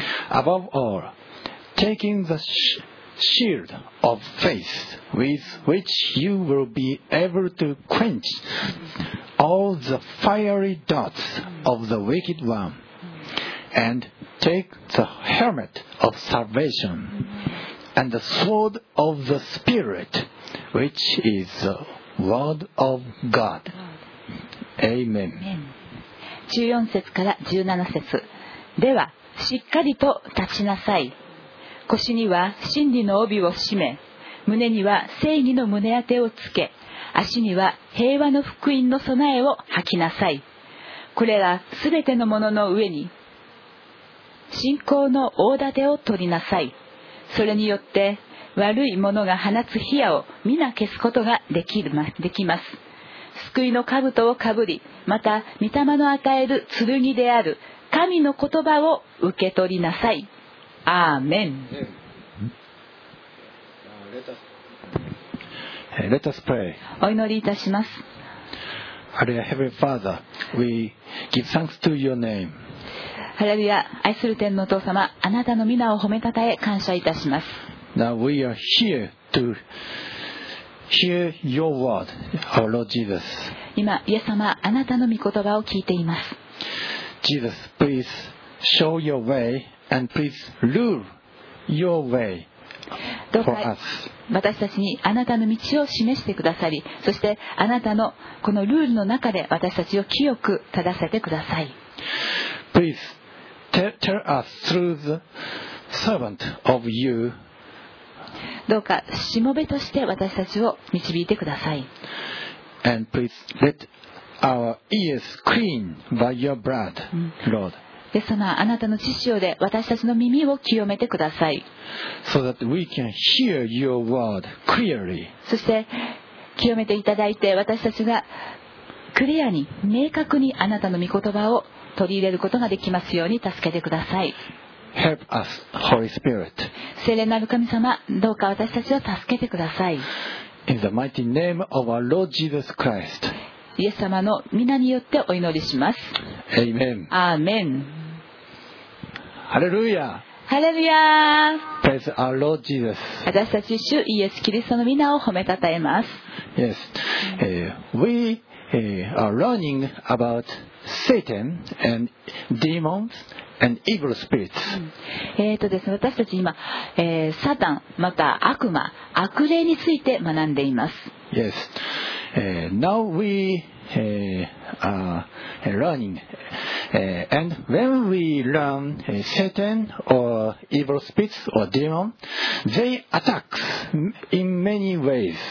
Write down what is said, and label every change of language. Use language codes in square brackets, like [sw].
[en] Above all, taking the shield of faith, with which you will be able to quench all the fiery darts of the wicked one, and take the helmet of salvation, and the sword of the Spirit, which is the word of God. Amen. [ja] 14節から17節。では、しっかりと立ちなさい。腰には真理の帯を締め、胸には正義の胸当てをつけ、足には平和の福音の備えを履きなさい。これらすべてのものの上に信仰の大盾を取りなさい。それによって悪いものが放つ火矢を皆消すことができます。救いの兜をかぶり、また御霊の与える剣である神の言葉を受け取りなさい。 [en] Amen. Let us pray. [ja] お祈りいたします。 [en] Hallelujah, Heavenly Father, we give thanks to your name. [ja] Hallelujah, 愛する天のお父様、あなたの皆を褒めたたえ感謝いたします。 [en] Now we are here to hear your word, our Lord Jesus. [ja] 今、イエス様、あなたの御言葉を聞いています。 [en] Jesus, please show your way. And please rule your way for us. [ja] どうか私たちにあなたの道を示してくださり、そしてあなたのこのルールの中で私たちを清く正させてください。 [en] Please tell us through the servant of you. [ja] どうかしもべとして私たちを導いてください。 [en] And please let our ears clean by your blood, Lord. [ja] イエス様、あなたの血潮で私たちの耳を清めてください。 [en] So that we can hear your word clearly. [ja] そして清めていただいて、私たちがクリアに明確にあなたの御言葉を取り入れることができますように助けてください。 [en] Help us, Holy Spirit. [ja] 聖霊なる神様、どうか私たちを助けてください。 [en] In the mighty name of our Lord Jesus Christ. [ja] イエス様の御名によってお祈りします。アーメン。アーメン。ハレルヤ。ハレルヤ。 [en] Praise our Lord Jesus. [ja] 私たち主イエスキリストの御名を褒めたたえます。 [en] Yes. We are learning about Satan and demons and evil spirits. [ja] ですね、私たち今、サタンまた悪魔、悪霊について学んでいます。 [en] Yes. Now we are learning. And when we learn Satan or evil spirits or demon, they attack in many ways.、